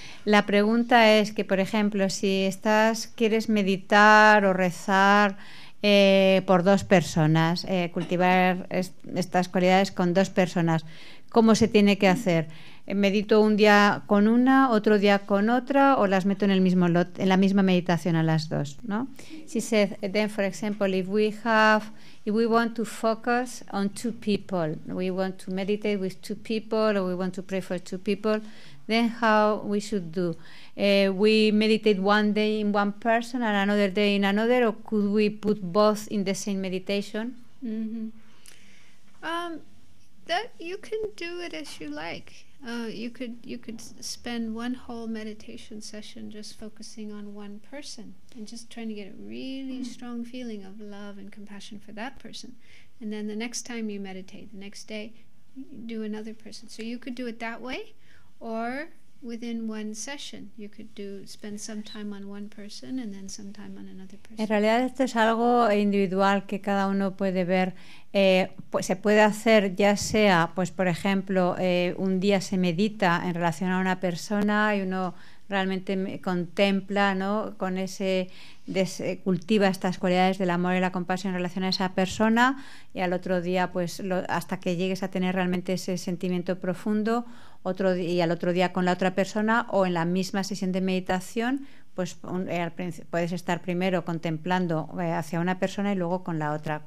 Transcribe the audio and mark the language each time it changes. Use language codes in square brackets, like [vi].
[es] La pregunta es que, por ejemplo, si quieres meditar o rezar por dos personas, cultivar estas cualidades con dos personas, ¿cómo se tiene que hacer? ¿Medito un día con una, otro día con otra, o las meto en el mismo lot, en la misma meditación a las dos, no? [en] She said, then for example, if we want to focus on two people, we want to meditate with two people, or we want to pray for two people, then how we should do? We meditate one day in one person and another day in another, or could we put both in the same meditation? Mm-hmm. That you can do it as you like. You could spend one whole meditation session just focusing on one person and just trying to get a really strong feeling of love and compassion for that person. And then the next time you meditate, the next day, do another person. So you could do it that way, or within one session, you could spend some time on one person and then some time on another person. [es] En realidad esto es algo individual que cada uno puede ver. Pues se puede hacer ya sea, pues por ejemplo, un día se medita en relación a una persona y uno realmente contempla, ¿no? Con ese cultiva estas cualidades del amor y la compasión en relación a esa persona, y al otro día, pues hasta que llegues a tener realmente ese sentimiento profundo, y al otro día con la otra persona, o en la misma sesión de meditación, pues puedes estar primero contemplando hacia una persona y luego con la otra.